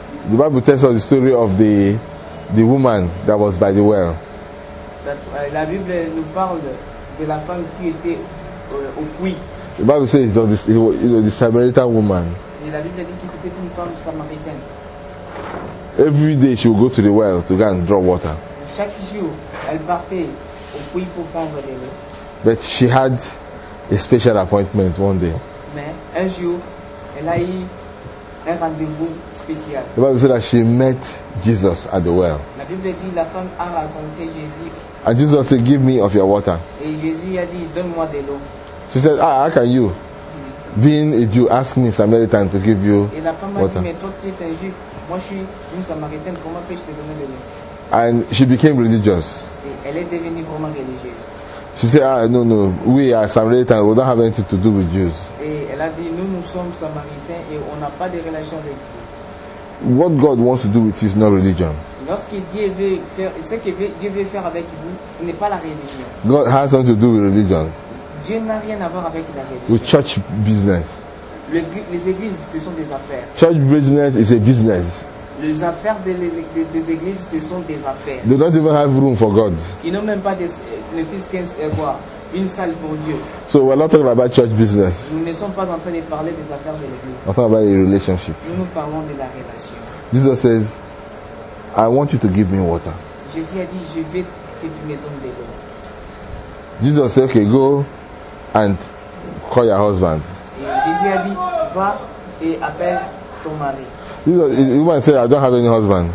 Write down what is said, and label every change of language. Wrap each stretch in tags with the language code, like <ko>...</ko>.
<en>The Bible tells us the story of the woman that was by the well.</en> <fr>La Bible nous parle de la femme qui était au puits.</fr> <en>The Bible says it was the Samaritan woman.</en> <fr>Et la Bible dit que c'était une femme samaritaine.</fr> <en>Every day she would go to the well to go and draw water.</en> <fr>Chaque jour, elle partait au puits pour prendre de l'eau.</fr> <en>But she had a special appointment one day.</en> <fr>Mais un jour, elle a eu un rendez-vous spécial.</fr> <en>The Bible says that she met Jesus at the well.</en> <fr>La Bible dit la femme a rencontré Jésus.</fr> <en>And Jesus said, give me of your water.</en> <fr>Et Jésus a dit, donne-moi de l'eau.</fr> <en>She said, ah, how can you, being a Jew, ask me, Samaritan, to give you</en> <fr>et la femme</fr> <en>water?</en> <fr>A dit, mais toi, tu es un Juif. Moi, je suis une Samaritaine. Comment peux-je te donner de l'eau?</fr> <en>And she became religious.</en> <fr>Et elle est devenue vraiment religieuse.</fr> <en>She said, ah, no, we are Samaritans. We don't have anything to do with Jews.</en> <fr>Et elle a dit, nous sommes Samaritains et on n'a pas de relation avec Dieu.</fr> <en>What God wants to do with you is not religion.</en> <fr>Lorsque Dieu veut faire, ce que Dieu veut faire avec vous, ce n'est pas la religion.</fr> <en>God has nothing to do with religion.</en> <fr>Dieu n'a rien à voir avec la religion.</fr> <en>With church business.</en> <fr>Les églises, ce sont des affaires.</fr> <en>Church business is a business.</en> <fr>Les affaires des églises, ce sont des affaires.</fr> <en>They don't even have room for God.</en> <fr>Ils n'ont même pas des ne fût-ce qu'un quoi. Une salle pour Dieu.</fr> <en>So we're not talking about church business.</en> <fr>Nous ne sommes pas en train de parler des affaires de l'église.</fr> <en>We're talking about a relationship.</en> <fr>Nous parlons de la relation.</fr> <en>Jesus says, I want you to give me water.</en> <fr>Jésus a dit, je veux que tu me donnes de l'eau.</fr> <en>Jesus said, okay, go and call your husband.</en> <fr>Jésus a dit, va et appelle ton mari.</fr> <en>Jesus, the woman said, I don't have any husband.</en>